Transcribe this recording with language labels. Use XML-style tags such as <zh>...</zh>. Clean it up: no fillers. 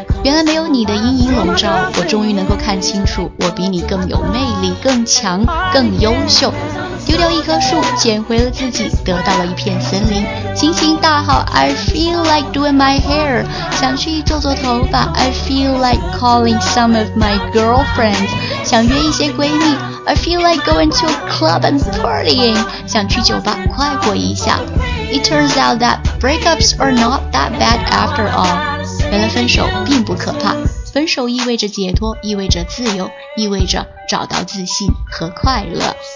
<zh>原来没有你的阴影笼罩，我终于能够看清楚，我比你更有魅力，更强，更优秀。丢掉一棵树，捡回了自己，得到了一片森林。心情大好，</zh> <en>I feel like doing my hair.</en> <zh>想去做做头发，</zh> <en>I feel like calling some of my girlfriends.</en> <zh>想约一些闺蜜，</zh> <en>I feel like going to a club and partying.</en> <zh>想去酒吧快活一下。</zh> <en>It turns out that breakups are not that bad after all.</en> <zh>原来分手并不可怕，分手意味着解脱，意味着自由，意味着找到自信和快乐。</zh>